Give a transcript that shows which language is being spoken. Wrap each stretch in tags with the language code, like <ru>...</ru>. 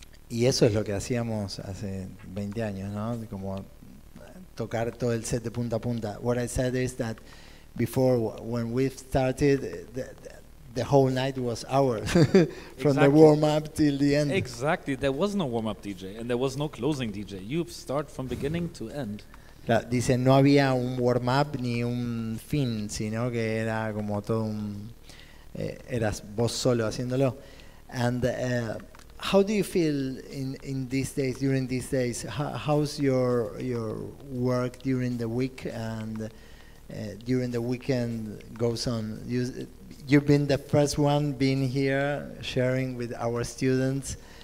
<es>Y eso es lo que hacíamos hace 20 años, ¿no? Como tocar todo el set de punta a punta.</es> <en>What I said is that before, when we started, the whole night was ours. From exactly. The warm-up till the end. Exactly. There was no warm-up DJ and there was no closing DJ. You start from beginning to end.</en> <es>Dice, no había un warm-up ni un fin, sino que era como todo un... eras vos solo haciéndolo.</es> <en>And how do you feel in these days, during these days? How's your work during the week and during the weekend goes on? You've been the first one being here sharing with our students.</en>